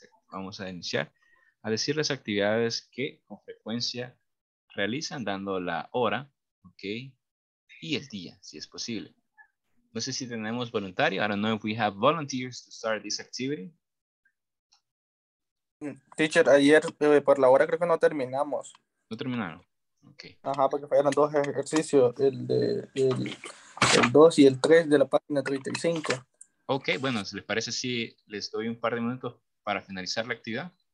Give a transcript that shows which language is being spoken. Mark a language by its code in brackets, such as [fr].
[es] Vamos a iniciar a decir las actividades que con frecuencia realizan, dando la hora, okay, y el día, si es posible. No sé si tenemos voluntario. [en] I don't know if we have volunteers to start this activity. [es] Teacher, ayer por la hora creo que no terminamos. No terminaron. Okay. Ajá, porque fallaron dos ejercicios, el 2 y el 3 de la página 35. Ok, bueno, ¿les parece si les doy un par de minutos para finalizar la actividad?